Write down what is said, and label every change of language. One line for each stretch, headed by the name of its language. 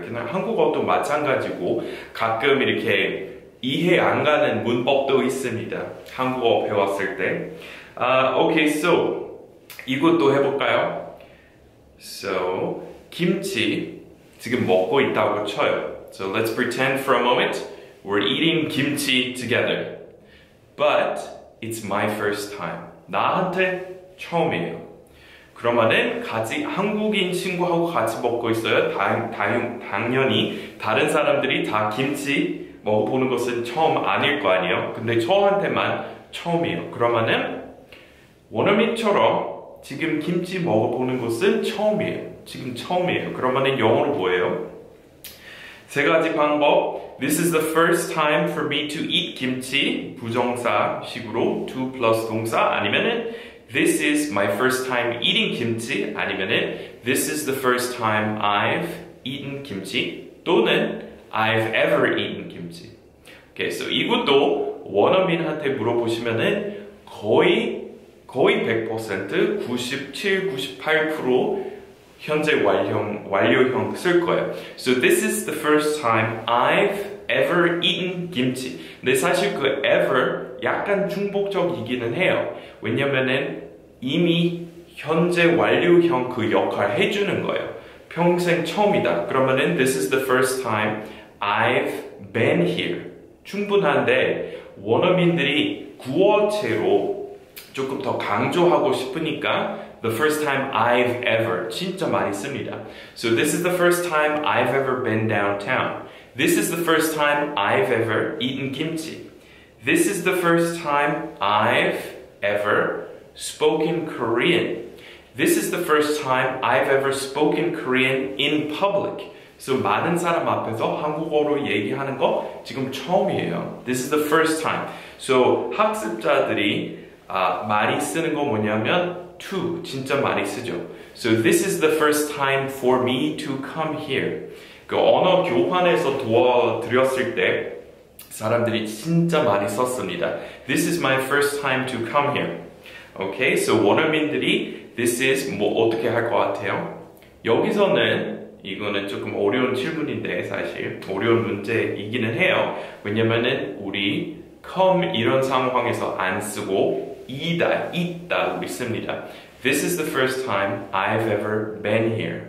Korean: 그냥 한국어도 마찬가지고 가끔 이렇게 이해 안 가는 문법도 있습니다. 한국어 배웠을 때. Okay, so 이것도 해볼까요? So 김치 지금 먹고 있다고 쳐요.
English: So let's pretend for a moment we're eating kimchi together. But it's my first time.
Korean: 나한테 처음이에요. 그러면은 같이 한국인 친구하고 같이 먹고 있어요. 당연히 다른 사람들이 다 김치 먹어보는 것은 처음 아닐 거 아니에요. 근데 저한테만 처음이에요. 그러면은 원어민처럼 지금 김치 먹어보는 것은 처음이에요. 지금 처음이에요. 그러면은 영어로 뭐예요? 세 가지 방법.
English: This is the first time for me to eat 김치.
Korean: 부정사 식으로
English: to plus
Korean: 동사 아니면은
English: This is my first time eating
Korean: 김치 아니면은
English: This is the first time I've eaten
Korean: 김치 또는
English: I've ever eaten 김치.
Korean: Okay, so 이것도 원어민한테 물어보시면은 거의 거의 100%, 97, 98% 현재 완료형 쓸 거예요.
English: So this is the first time I've ever eaten 김치.
Korean: 근데 사실 그 ever 약간 중복적이기는 해요. 왜냐면은 이미 현재 완료형 그 역할 해주는 거예요. 평생 처음이다.
English: 그러면은 this is the first time I've been here.
Korean: 충분한데 원어민들이 구어체로 조금 더 강조하고 싶으니까
English: the first time I've ever
Korean: 진짜 많이 씁니다.
English: So this is the first time I've ever been downtown. This is the first time I've ever eaten kimchi. This is the first time I've ever spoken Korean. This is the first time I've ever spoken Korean in public.
Korean: So 많은 사람 앞에서 한국어로 얘기하는 거 지금 처음이에요.
English: This is the first time.
Korean: So 학습자들이 많이 쓰는 거 뭐냐면 to 진짜 많이 쓰죠.
English: So this is the first time for me to come here.
Korean: 그 언어 교환에서 도와드렸을 때 사람들이 진짜 많이 썼습니다.
English: This is my first time to come here.
Korean: Okay, so 원어민들이
English: this is
Korean: 뭐 어떻게 할 것 같아요? 여기서는 이거는 조금 어려운 질문인데 사실 어려운 문제이기는 해요. 왜냐면은 우리 come 이런 상황에서 안 쓰고 이다, 있다 우리 씁니다.
English: This is the first time I've ever been here.